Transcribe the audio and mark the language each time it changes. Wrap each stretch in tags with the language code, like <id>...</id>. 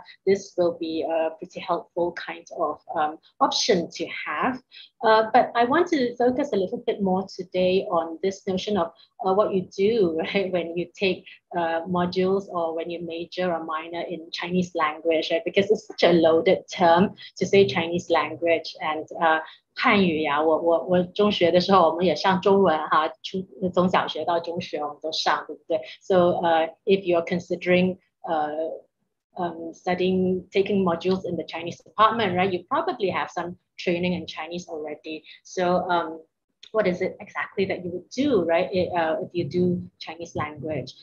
<en>This will be a pretty helpful kind of option to have. But I want to focus a little bit more today on this notion of what you do, right? When you take modules or when you major or minor in Chinese language, right? Because it's such a loaded term to say Chinese language. And</en> <zh>汉语呀, 我中学的时候我们也上中文哈,从小学到中学我们都上, 对不对?</zh> <en>So if you're considering taking modules in the Chinese department, right, you probably have some training in Chinese already. So what is it exactly that you would do, right, if you do Chinese language?</en>